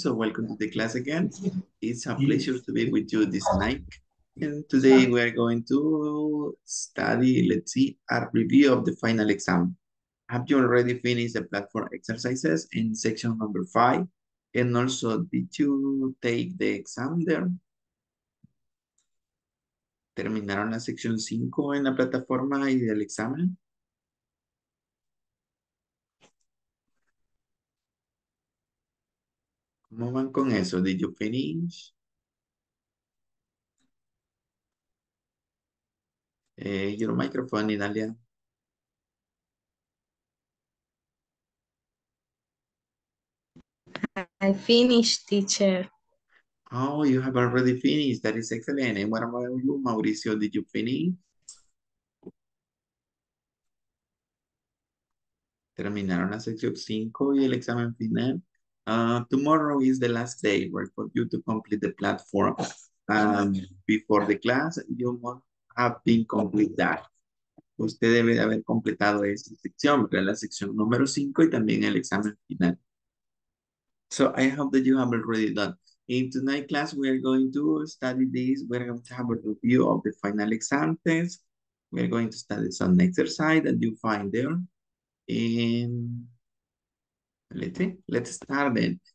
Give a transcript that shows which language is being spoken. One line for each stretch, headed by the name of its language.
English: So welcome to the class again. It's a pleasure to be with you this night. And today we are going to study, let's see, a review of the final exam. Have you already finished the platform exercises in section number 5? And also, did you take the exam there?
Spanish: ¿Terminaron la sección 5 en la plataforma y del examen? ¿Cómo van con eso?
English: ¿Did you finish? Your microphone, Inalia. I finished, teacher. Oh, you have already finished. That is excellent. And what about you, Mauricio? Did you finish?
Spanish: Terminaron la sección 5 y el examen final.
English: Tomorrow is the last day for you to complete the platform. Before the class, you must have been complete that.
Spanish: Usted debe haber completado esa sección, la sección número 5 y también el examen final.
English: So I hope that you have already done. In tonight's class, we are going to study this. We're going to have a review of the final exam test. We are going to study some exercise that you find there. And let's start then.